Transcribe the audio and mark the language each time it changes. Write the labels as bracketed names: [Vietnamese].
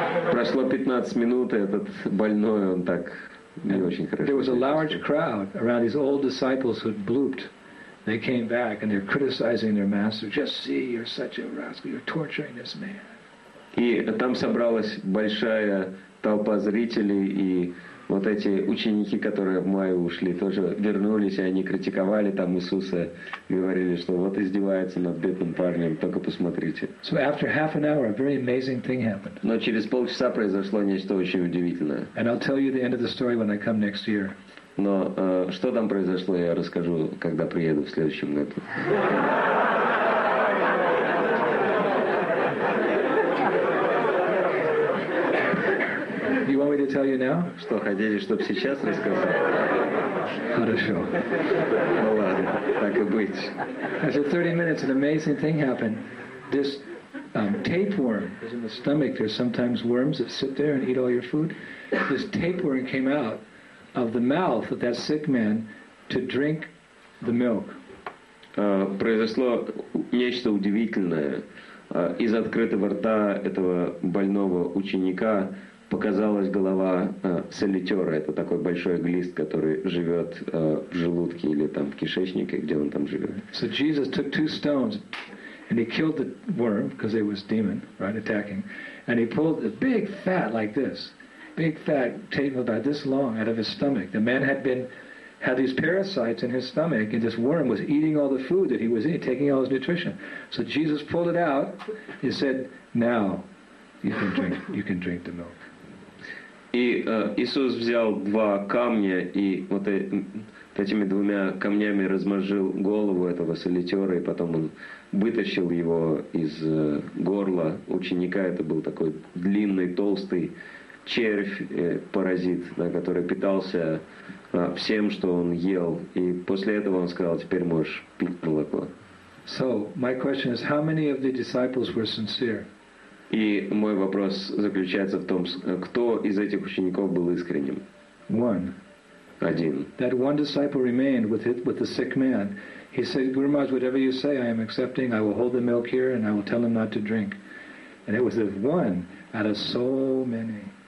[Russian] прошло 15 минут, и этот больной, он так не очень хорошо. [English] There was a large crowd around these old disciples who blooped. They came back, and they're criticizing their master. Just see, you're such a rascal, you're torturing this man. [Russian] И там собралась большая толпа зрителей, и вот эти ученики, которые в мае ушли, тоже вернулись, и они критиковали там Иисуса, говорили, что вот издевается над бедным парнем, только посмотрите. [English] So after half an hour, a very amazing thing happened. [Russian] Но через полчаса произошло нечто очень удивительное. [English] And I'll tell you the end of the story when I come next year. [Russian] Но что там произошло, я расскажу, когда приеду в следующем году. [English] You want me to tell you now? [Russian] Что, хотели, чтобы сейчас рассказал? Хорошо. Ну ладно, так и быть. [English] After 30 minutes, an amazing thing happened. This tapeworm is in the stomach. There's sometimes worms that sit there and eat all your food. This tapeworm came out of the mouth of that sick man to drink the milk. [Russian] Произошло нечто удивительное. Из открытого рта этого больного ученика показалась голова солитера. Это такой большой глист, который живет в желудке или там в кишечнике, где он там живет. [English] So Jesus took two stones and he killed the worm because it was demon, right, attacking. And he pulled a big fat like this. Big fat tape about this long out of his stomach. The man had these parasites in his stomach, and this worm was eating all the food that he was eating, taking all his nutrition. So Jesus pulled it out and said, "Now you can drink the milk." [Russian] И Иисус взял два камня и вот этими двумя камнями размозжил голову этого солитера, и потом он вытащил его из горла ученика. Это был такой длинный, толстый червь-паразит, да, который питался всем, что он ел. И после этого он сказал, теперь можешь пить молоко. [English] So, my question is, how many of the disciples were sincere? [Russian] И мой вопрос заключается в том, кто из этих учеников был искренним? [English] One. [Russian] Один. [English] That one disciple remained with the sick man. He said, Guru Maharaj, whatever you say, I am accepting. I will hold the milk here and I will tell him not to drink. And it was the one out of so many.